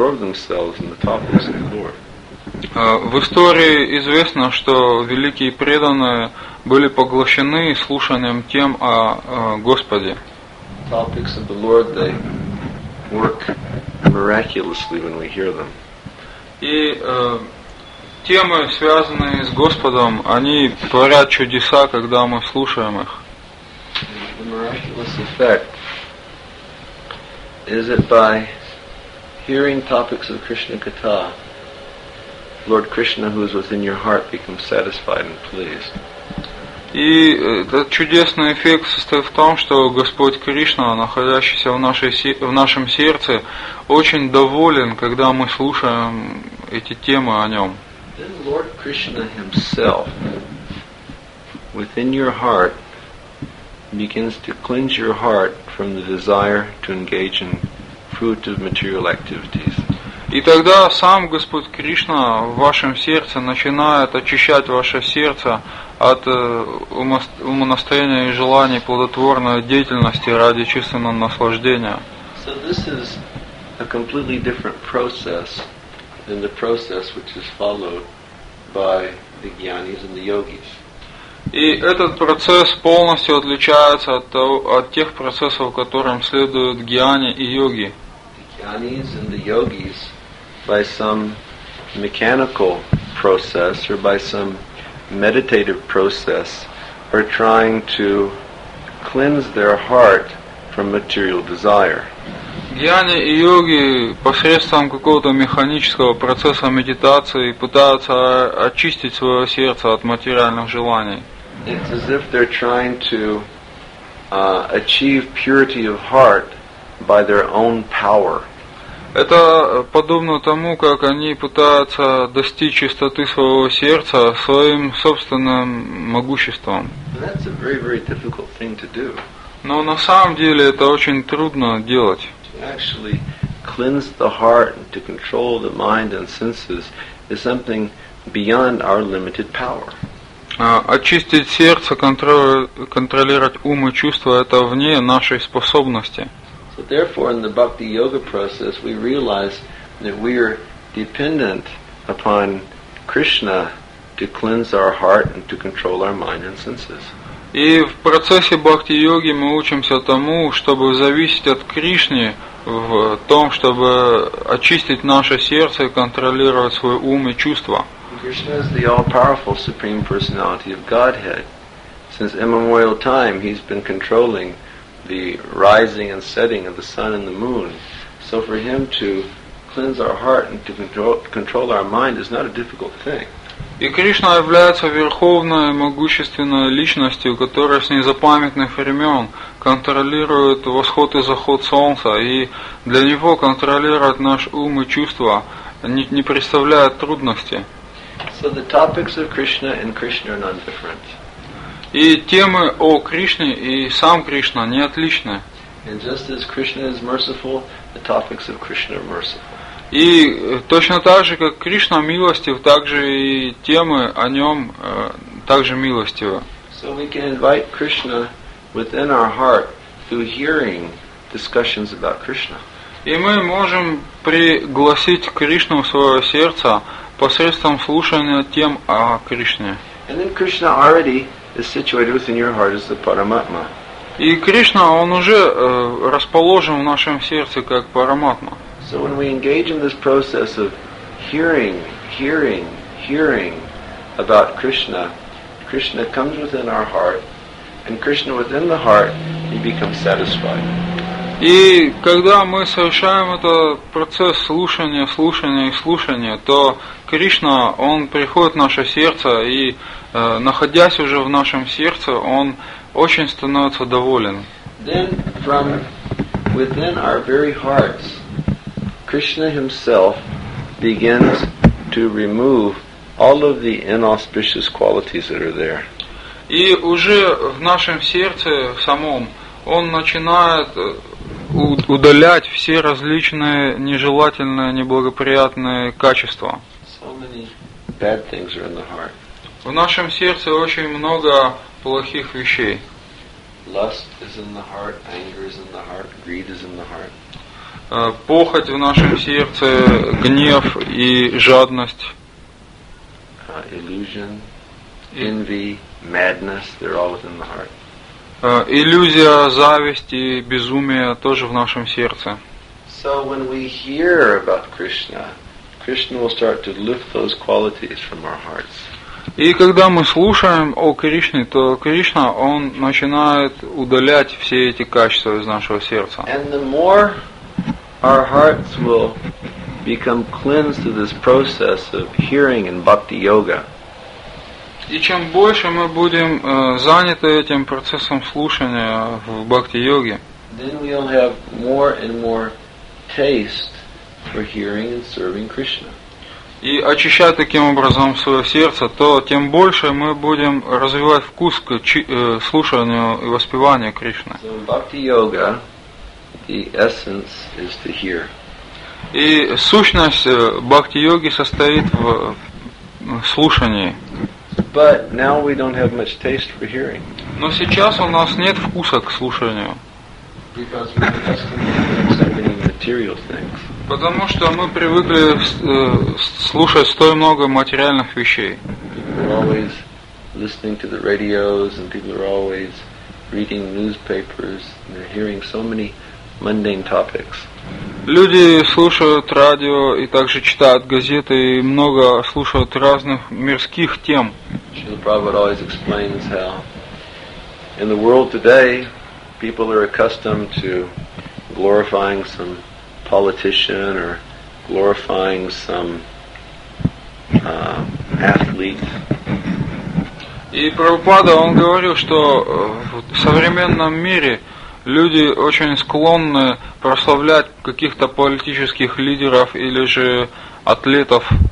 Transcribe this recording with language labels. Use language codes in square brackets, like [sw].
[ru] В истории известно, что великие преданные были поглощены слушанием тем о Господе. [en] Topics of the Lord, they work miraculously when we hear them. [ru] И темы, связанные с Господом, они творят чудеса, когда мы слушаем их. [en] The miraculous effect is that by hearing topics of Krishna Katha, Lord Krishna, who is within your heart, becomes satisfied and pleased. [ru] И этот чудесный эффект состоит в том, что Господь Кришна, находящийся в нашем сердце, очень доволен, когда мы слушаем эти темы о нем. [en] Then Lord Krishna himself, within your heart, begins to cleanse your heart from the desire to engage in fruitive material activities. [ru] И тогда сам Господь Кришна в вашем сердце начинает очищать ваше сердце от умонастроения и желаний плодотворной деятельности ради чистого наслаждения. [en] So this is a completely different process than the process which is followed by the gyanis and the yogis. [ru] И этот процесс полностью отличается от тех процессов, которым следуют гьяни и йоги. [en] The gyanis and the yogis, by some mechanical process or by some meditative process, are trying to cleanse their heart from material desire. [ru] Гьяни и йоги посредством какого-то механического процесса медитации пытаются очистить свое сердце от материальных желаний. [en] It's as if they're trying to achieve purity of heart by their own power. [ru] Это подобно тому, как они пытаются достичь чистоты своего сердца своим собственным могуществом. [en] That's a very, very difficult thing to do. [ru] Но на самом деле это очень трудно делать. [en] To actually cleanse the heart and to control the mind and senses is something beyond our limited power. [ru] Очистить сердце, контролировать ум и чувства – это вне нашей способности. [en] So therefore, in the bhakti yoga process, we realize that we are dependent upon Krishna to cleanse our heart and to control our mind and senses. [ru] И в процессе бхакти йоги мы учимся тому, чтобы зависеть от Кришны в том, чтобы очистить наше сердце, контролировать свой ум и чувства. [en] Krishna is the all-powerful supreme personality of Godhead. Since immemorial time, he's been controlling the rising and setting of the sun and the moon. So for him to cleanse our heart and to control our mind is not a difficult thing. [ru] И Кришна является верховной могущественной личностью, которая с незапамятных времен контролирует восход и заход солнца, и для него контролировать наш ум и чувства не представляет трудности. [en] So the topics of Krishna and Krishna are not different. [ru] И темы о Кришне и сам Кришна не отличны. [en] And just as Krishna is merciful, the topics of Krishna are merciful. [ru] И точно так же, как Кришна милостив, так же и темы о нем также милостивы. [en] So we can invite Krishna within our heart through hearing discussions about Krishna. [ru] И мы можем пригласить Кришну в свое сердце посредством слушания тем о Кришне. [en] And then Krishna already is situated within your heart as the Paramatma. [ru] И Кришна, он уже расположен в нашем сердце как Параматма. [en] So when we engage in this process of hearing about Krishna, Krishna comes within our heart, and Krishna within the heart, he becomes satisfied. [ru] И когда мы совершаем этот процесс слушания, то Кришна, он приходит в наше сердце, и находясь уже в нашем сердце, он очень становится доволен. [en] Then from within our very hearts, Krishna himself begins to remove all of the inauspicious qualities that are there. [ru] И уже в нашем сердце самом он начинает удалять все различные нежелательные, неблагоприятные качества. [en] So many bad things are in the heart. [ru] В нашем сердце очень много плохих вещей. [en] Lust is in the heart, anger is in the heart, greed is in the heart. [ru] Похоть в нашем сердце, гнев и жадность. [en] Illusion, envy, madness, they're all within the heart. [ru] Иллюзия, зависть и безумие тоже в нашем сердце. [en] So when we hear about Krishna, Krishna will start to lift those qualities from our hearts. [ru] И когда мы слушаем о Кришне, то Кришна, он начинает удалять все эти качества из нашего сердца. [en] And the more our hearts will become cleansed through this process of hearing and bhakti yoga. [ru] И чем больше мы будем заняты этим процессом слушания в бхакти йоге, [en] then we'll have more and more taste for hearing and serving Krishna. [ru] И очищая таким образом свое сердце, то тем больше мы будем развивать вкус к слушанию и воспеванию Кришны. [en] So in bhakti yoga, the essence is to hear. [ru] И сущность бхакти йоги состоит в слушании. [en] But now we don't have much taste for hearing. [ru] Но сейчас у нас нет вкуса к слушанию. [en] Because we're accustomed to accepting material things. [ru] Потому что мы привыкли слушать столь много материальных вещей. [en] People are always listening to the radios, and people are always reading newspapers, and they're hearing so many mundane topics. [ru] Люди слушают радио и также читают газеты и много слушают разных мирских тем. [en] Srila Prabhupada always explains how in the world today people are accustomed to glorifying some politician or glorifying some athlete. [ru] И Прабхупада, он говорил, что в современном мире люди очень склонны прославлять каких-то политических лидеров или же атлетов.